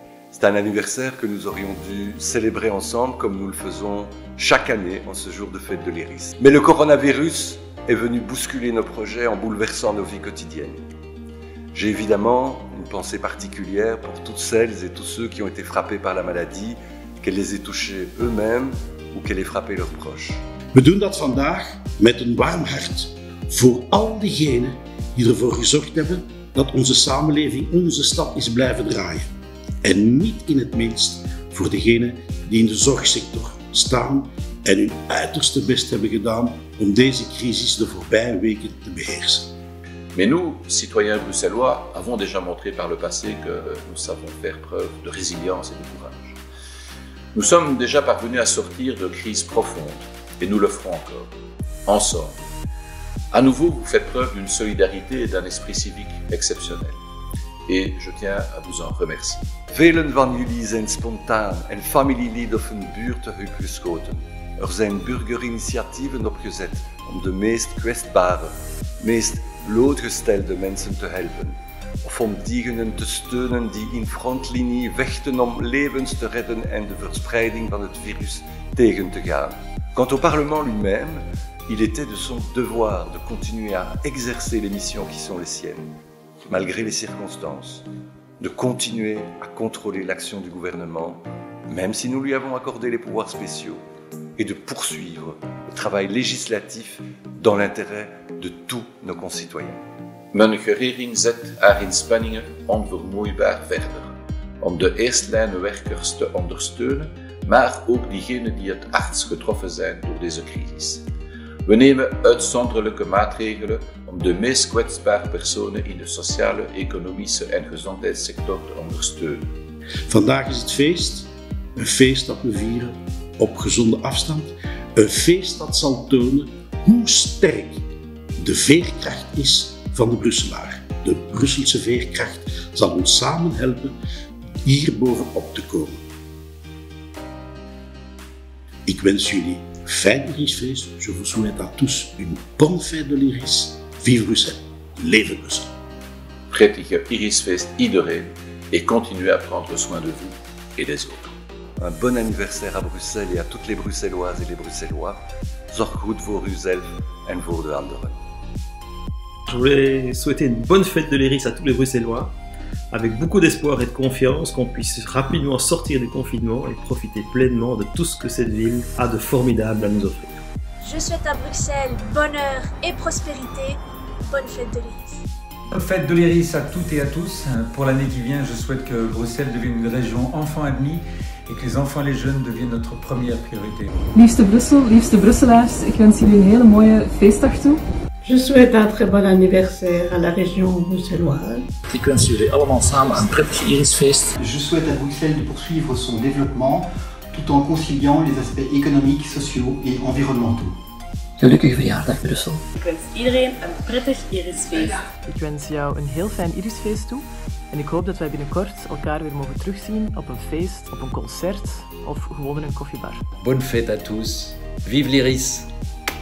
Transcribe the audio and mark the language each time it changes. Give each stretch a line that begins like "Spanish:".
French: C'est un anniversaire que nous aurions dû célébrer ensemble comme nous le faisons chaque année en ce jour de fête de l'Iris. Mais le coronavirus est venu bousculer nos projets en bouleversant nos vies quotidiennes. J'ai évidemment une pensée particulière pour toutes celles et tous ceux qui ont été frappés par la maladie, qu'elle les ait touchés eux-mêmes ou qu'elle ait frappé leurs proches.
Dutch: We doen dat vandaag met een warm hart voor al diegenen die ervoor gezorgd hebben dat onze samenleving, onze stad is blijven draaien. En niet in het minst voor degenen die in de zorgsector staan en hun uiterste best hebben gedaan om deze crisis de voorbije weken te beheersen.
French: Mais nous, citoyens bruxellois, avons déjà montré par le passé que nous savons faire preuve de résilience et de courage. Nous sommes déjà parvenus à sortir de crises profondes. Et nous le ferons encore, ensemble. À nouveau, vous faites preuve d'une solidarité et d'un esprit civique exceptionnel. Et je tiens à vous en remercier.
Dutch: Velen van jullie zijn spontaan en familielid of een buurthuis geschoten. Er zijn burgerinitiatieven opgezet om de meest kwetsbare, meest blootgestelde mensen te helpen. Of om diegenen te steunen die in frontlinie vechten om levens te redden en de verspreiding van het virus tegen te gaan.
French: Quant au Parlement lui-même, il était de son devoir de continuer à exercer les missions qui sont les siennes, malgré les circonstances, de continuer à contrôler l'action du gouvernement, même si nous lui avons accordé les pouvoirs spéciaux, et de poursuivre le travail législatif dans l'intérêt de tous nos concitoyens.
Dutch: Mijn regering zet haar inspanningen onvermoeibaar verder, om de eerstlijnwerkers te ondersteunen, maar ook diegenen die het hardst getroffen zijn door deze crisis. We nemen uitzonderlijke maatregelen om de meest kwetsbare personen in de sociale, economische en gezondheidssector te ondersteunen. Vandaag is het feest, een feest dat we vieren op gezonde afstand. Een feest dat zal tonen hoe sterk de veerkracht is van de Brusselaar. De Brusselse veerkracht zal ons samen helpen hier bovenop te komen. Ik wens jullie fijn Lirisfeest.
French: Je vous souhaite à tous une bonne fête de l'Iris. Vive Bruxelles.
Dutch: Leve Bruxelles. Prettige Irisfeest iedereen
French: et continuez à prendre soin de vous et des autres. Un bon anniversaire à Bruxelles et à toutes les Bruxelloises et les Bruxellois.
Dutch: Zorg goed voor uzelf en voor de anderen.
French: Je voulais souhaiter une bonne fête de l'Iris à tous les Bruxellois, avec beaucoup d'espoir et de confiance qu'on puisse rapidement sortir du confinement et profiter pleinement de tout ce que cette ville a de formidable à nous offrir. Je souhaite à Bruxelles bonheur et prospérité. Bonne fête de l'Iris. Bonne fête de l'Iris à toutes et à tous. Pour l'année qui vient, je souhaite que Bruxelles devienne une région enfants admis et que les enfants et les jeunes deviennent notre première priorité.
Dutch: Liefste Brussel, liefste Brusselaars, ik wens jullie een hele mooie feestdag toe.
French: Je souhaite un très bon anniversaire à la région bruxelloise.
Dutch: Ik wens jullie allemaal samen een prettig Irisfeest.
French: Je souhaite à Bruxelles de poursuivre son développement tout en conciliant les aspects économiques, sociaux et environnementaux.
Dutch: Gelukkig verjaardag, Brussel. Ik wens iedereen een prettig Irisfeest. Ja. Ik wens jou een heel fijn Irisfeest toe. En ik hoop dat wij binnenkort elkaar weer mogen terugzien op een feest, op een concert of gewoon in een koffiebar.
French: Bonne fête à tous. Vive l'Iris.